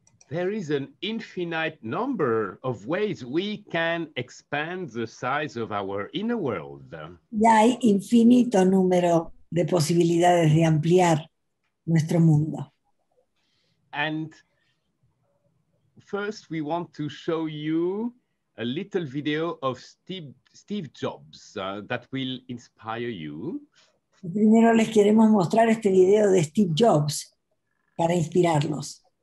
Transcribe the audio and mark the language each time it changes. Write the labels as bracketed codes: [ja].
[en] There is an infinite number of ways we can expand the size of our inner world. [es] Ya hay infinito número de posibilidades de ampliar nuestro mundo. [en] And first we want to show you a little video of Steve Jobs that will inspire you. [es] Primero les queremos mostrar este video de Steve Jobs para inspirarlos.